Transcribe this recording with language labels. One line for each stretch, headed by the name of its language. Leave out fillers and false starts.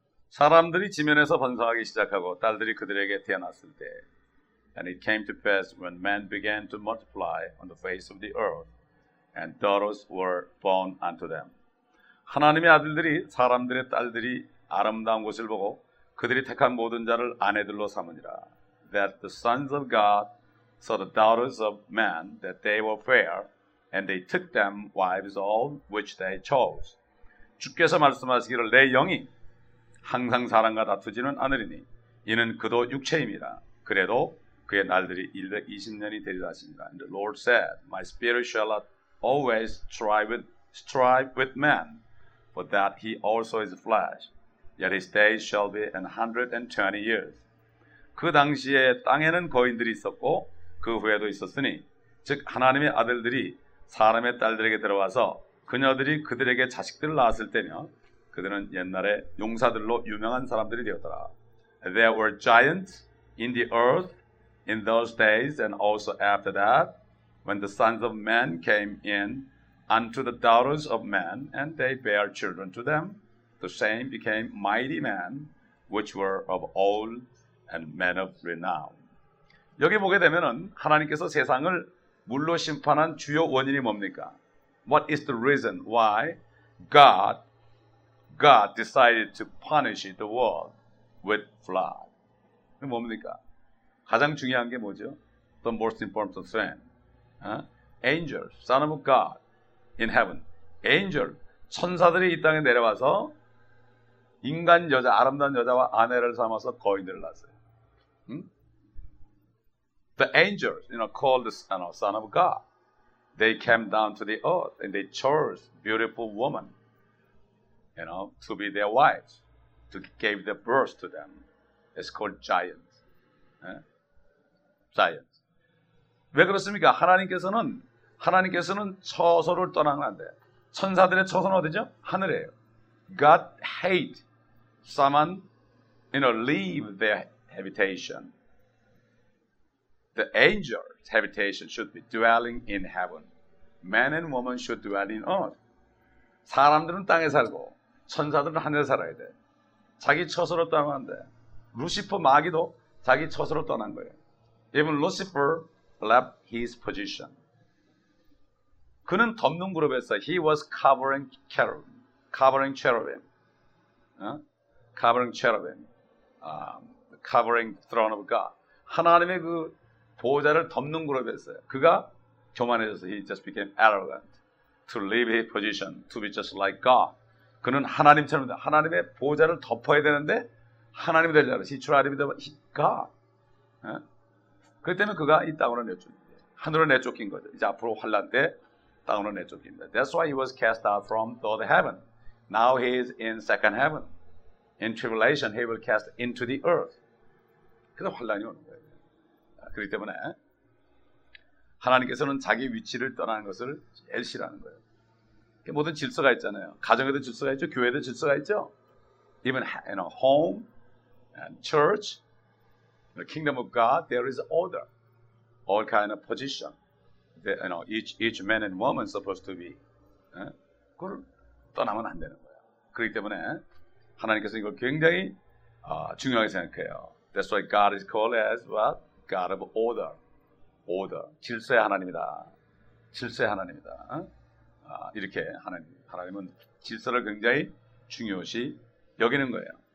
Korean: 사람들이 지면에서 번성하기 시작하고 딸들이 그들에게 태어났을 때
English: And it came to pass when men began to multiply on the face of the earth and daughters were born unto them.
Korean: 하나님의 아들들이 사람들의 딸들이 아름다운 것을 보고 그들이 택한 모든 자를 아내들로 삼으니라.
English: That the sons of God saw the daughters of men, that they were fair, and they took them wives all which they chose.
Korean: 주께서 말씀하시기를 내 영이 항상 사람과 다투지는 않으리니 이는 그도 육체입니다. 그래도 그의 날들이 120년이 되리라 하십니다.
English: And the Lord said, My spirit shall not always strive with men, for that he also is flesh. Yet his days shall be 120 years.
Korean: 그 당시에 땅에는 거인들이 있었고 그 후에도 있었으니 즉 하나님의 아들들이 사람의 딸들에게 들어와서 그녀들이 그들에게 자식들을 낳았을 때며 그들은 옛날에 용사들로 유명한 사람들이 되었더라.
English: There were giants in the earth in those days and also after that when the sons of men came in unto the daughters of men and they bare children to them. The same became mighty men which were of old and men of renown.
Korean: 여기 보게 되면은 하나님께서 세상을 물로 심판한 주요 원인이 뭡니까?
English: What is the reason why God decided to punish the world with flood?
Korean: 뭡니까? 가장 중요한 게 뭐죠?
English: the most important thing. Angel, Son of God in heaven. Angel,
Korean: 천사들이 이 땅에 내려와서 인간 여자, 아름다운 여자와 아내를 삼아서 거인들을 낳았어요.
English: The angels, you know, called the Son of God. They came down to the earth and they chose beautiful woman, you know, to be their wives, to give the birth to them. It's called giant.
Korean: Giant. 왜 그렇습니까? 하나님께서는 처소를 떠나는데 천사들의 처소는 어디죠? 하늘이에요.
English: God hate someone, you know, leave their habitation. The angel's habitation should be dwelling in heaven. Man and woman should dwell in earth.
Korean: 사람들은 땅에 살고 천사들은 하늘에 살아야 돼. 자기 처소로 떠나는데 루시퍼 마귀도 자기 처소로 떠난 거예요.
English: Even Lucifer left his position.
Korean: 그는 덮는 그룹에서
English: he was covering cherubim. Covering cherubim. Covering cherubim. Covering throne of God.
Korean: 하나님의 그 보좌를 덮는 그룹에서 그가 교만해져서
English: he just became arrogant to leave his position to be just like God.
Korean: 그는 하나님처럼 하나님의 보좌를 덮어야 되는데 하나님이 되려고
English: he tried to be God.
Korean: 그 때문에 그가 이 땅으로 내쫓긴 거죠. 하늘을 내쫓긴 거죠. 이제 앞으로 환난 때 땅으로 내쫓긴다.
English: That's why he was cast out from the heaven. Now he is in second heaven. In tribulation, he will cast into the earth.
Korean: 그래서 환난이 오는 거예요. 그렇기 때문에 하나님께서는 자기 위치를 떠나는 것을 제일 싫어하는 거예요. 모든 질서가 있잖아요. 가정에도 질서가 있죠. 교회에도 질서가 있죠.
English: Even in a home and church, the kingdom of God, there is order. All kind of position that, you know, each man and woman supposed to be.
Korean: 그걸 떠나면 안 되는 거예요. 그렇기 때문에 하나님께서 이걸 굉장히 중요하게 생각해요.
English: That's why God is called as what? God of order. Order.
Korean: 질서의 하나님이다. 질서의 하나님이다. 이렇게 하나님은 질서를 굉장히 중요시 여기는 거예요.